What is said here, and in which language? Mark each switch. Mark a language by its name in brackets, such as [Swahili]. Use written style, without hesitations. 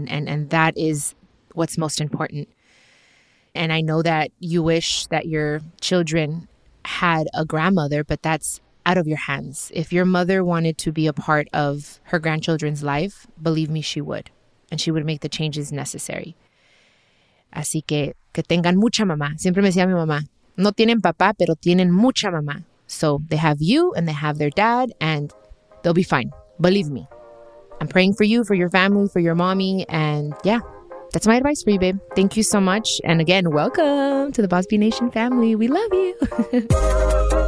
[English] And that is what's most important. And I know that you wish that your children had a grandmother, but that's out of your hands. If your mother wanted to be a part of her grandchildren's life, believe me, she would. And she would make the changes necessary. [Spanish] Así que tengan mucha mamá. Siempre me decía mi mamá, no tienen papá, pero tienen mucha mamá. [English] So they have you and they have their dad and they'll be fine. Believe me. I'm praying for you, for your family, for your mommy. And yeah. That's my advice for you, babe. Thank you so much. And again, welcome to the Boss Bee Nation family. We love you.